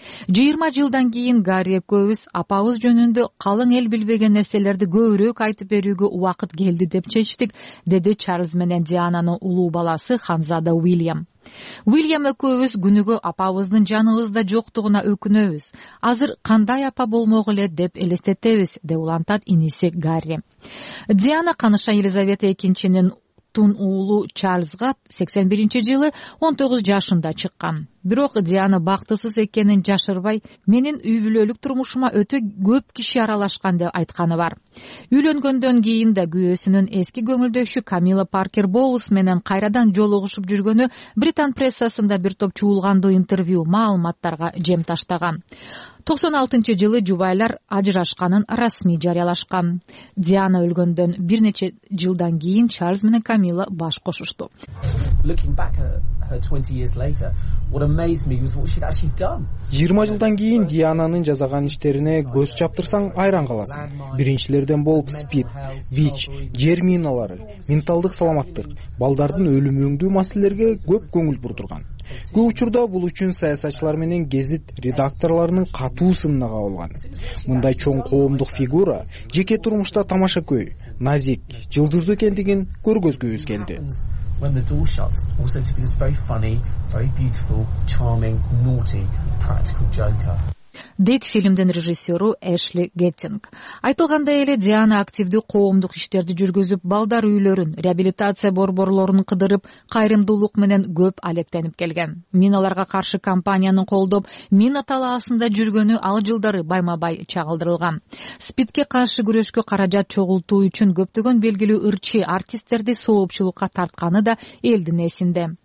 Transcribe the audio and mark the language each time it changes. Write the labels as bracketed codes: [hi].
[ky] 20 жылдан кийин Гарри экөөбүз апабыз жөнүндө калың эл билбеген нерселерди көбүрөөк айтып берүүгө убакыт келди деп чечтик, деди Чарльз менен Диананын улуу баласы Ханзада Уильям. Уильям экөөбүз күнүгө апабыздын жаныбызда жоктугуна өкүнөбүз. Азыр кандай апа болмок эле деп элестетебиз, деп улантат иниси Гарри. Диана каныша Елизавета экинчинин тун уулу Чарльзга 81 жылы 19 жашында чыккан. Бирок Диана бактысыз экенин жашырбай, менин үй бүлөлүк турмушума өтө көп киши аралашкан деп айтканы бар. Үйлөнгөндөн кийин да күйөөсүнүн эски көңүлдөшү Камила Паркер Боулс менен кайрадан жолугушуп жүргөнү Британ прессасында бир топ чуулгандуу интервью маалыматтарга жем таштаган. 96 жылы жубайлар ажырашканын расмий жарыялашкан. Диана өлгөндөн бир нече жылдан кийин Чарльз менен Камила баш кошушту. [en] Looking back at her 20 years later, what amazed me was what she'd actually done. [ky] 20 жылдан кийин Диананын жазаган иштерине көз чаптырсаң айран каласың. Биринчилерден болуп СПИД, ВИЧ, жер миналары, менталдык саламаттык, балдардын өлүмүндөгү маселелерге көп көңүл бурдурган. Көп учурда бул үчүн саясатчылар менен гезит редакторлорунун катуу сынына кабылган. Мындай чоң коомдук фигура жеке турмушта тамашакөй, назик, жылдыздуу экендигин көргөзгүбүз келди. [en] When the door shuts, also to be this very funny, very beautiful, charming, naughty, practical joker. [ky] Дейт фильмдин режиссеру Эшли Геттинг. Айтылгандай эле Диана активдүү коомдук иштерди жүргүзүп, балдар үйлөрүн, реабилитация борборлорун кыдырып, кайрымдуулук менен көп алектенип келген. Миналарга каршы кампанияны колдоп, мина талаасында жүргөнү ал жылдары байма-бай чагылдырылган. СПИДке каршы күрөшкө каражат чогултуу үчүн көптөгөн белгилүү ырчы артисттерди соопчулукка тартканы да элдин эсинде.